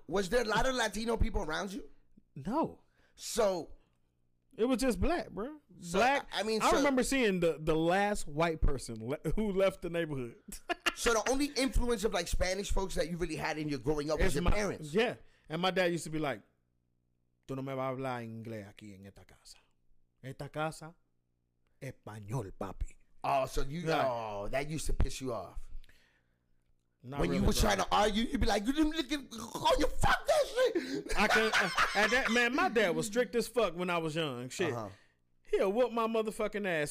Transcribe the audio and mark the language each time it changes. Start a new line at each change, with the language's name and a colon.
English: Was there a lot of Latino people around you? No. So. It was just black, bro. Black. So, I mean, I remember seeing the last white person who left the neighborhood. So the only influence of like Spanish folks that you really had in your growing up was your parents. Yeah. And my dad used to be like,
Spanish: tú no me vas a hablar inglés aquí en esta casa. Esta casa, español, papi.
English: Oh, so you got, like, oh, that used to piss you off. Not when really, you were trying to argue, you'd be like, "You didn't look at, oh, you fuck that shit." I can at that man. My dad was strict as fuck when I was young. Shit, he'll whoop my motherfucking ass.